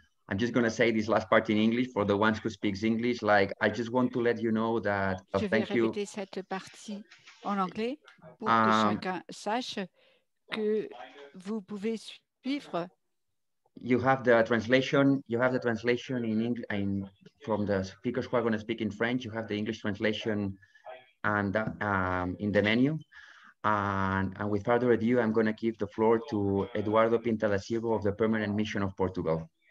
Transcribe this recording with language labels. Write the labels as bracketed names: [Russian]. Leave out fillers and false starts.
[English] I'm just going to say this last part in English for the ones who speak English. Like, I just want to let you know that. [French] Je vais [English] thank you. [French] Répéter cette partie en anglais pour que chacun sache que vous pouvez suivre. [English] You have the translation. You have the translation in English in, from the speakers who are going to speak in French. You have the English translation, and in the menu. And with further ado, I'm going to give the floor to Eduardo Pinta da Silva of the Permanent Mission of Portugal.